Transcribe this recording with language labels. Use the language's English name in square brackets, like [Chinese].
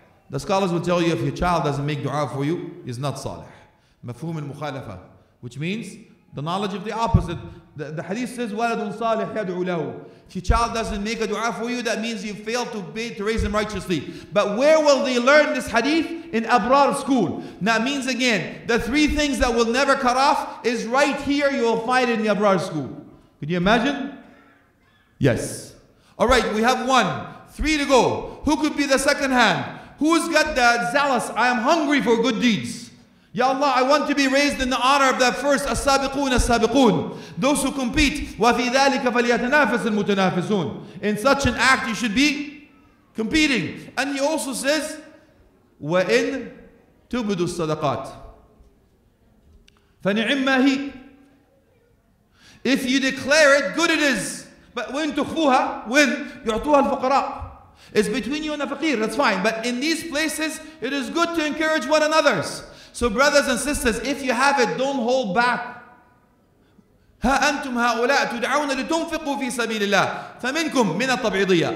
[English] The scholars will tell you if your child doesn't make dua for you, he's not صالح. [Arabic] مفهوم المخالفة, [English] which means the knowledge of the opposite. The hadith says [Arabic] ولد صالح يدعو له. [English] If your child doesn't make a dua for you, that means you failed to raise him righteously. But where will they learn this hadith? In Abraar school. That means again, the three things that will never cut off is right here, you will find it in the Abraar school. Can you imagine? Yes. All right, we have one, three to go. Who could be the second hand? Who's got the zealous? I am hungry for good deeds. Ya Allah, I want to be raised in the honor of that first, as-sabiqoon, as-sabiqoon. Those who compete. [Arabic] وَفِي ذَلِكَ فَلْيَتَنَافَسِ الْمُتَنَافِسُونَ. [English] In such an act, you should be competing. And he also says, [Arabic] وَإِن تُبْدُوا الصَّدَقَاتِ فَنِعِمَّا هِي. [English] If you declare it, good it is. But when تُخْفُوهَا, when [Arabic] يُعْطُوهَا الْفُقَرَاءِ. [English] It's between you and the faqir, that's fine. But in these places, it is good to encourage one another's. So brothers and sisters, if you have it, don't hold back. [Arabic] هَا أَنْتُمْ هَؤُلَاء تُدْعَوْنَ لِتُنْفِقُوا فِي سَبِيلِ اللَّهِ فَمِنْكُمْ مِنَ الطَّبْعِضِيَّةِ.